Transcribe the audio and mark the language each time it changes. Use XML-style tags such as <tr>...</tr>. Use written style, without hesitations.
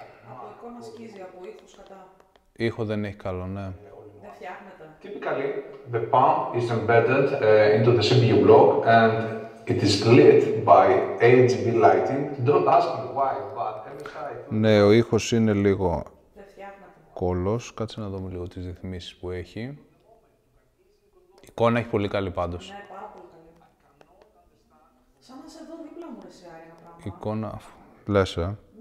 <el>Από εικόνα σκίζει, από ήχους κατά. Ήχο δεν έχει καλό, ναι.</el> <en>Typically, the pump is embedded into the CPU block and it is lit by RGB lighting. Don't ask me why, but MSI.</en> <el>Ναι, ο ήχος είναι λίγο κόλλος. Κάτσε να δούμε λίγο τις ρυθμίσεις που έχει. Η εικόνα έχει πολύ καλή πάντως. Ναι, πάρα πολύ καλή. Σαν να σε δω δίπλα μου, ρε Σιάρια, πράγμα. Εικόνα, λες, ναι.</el>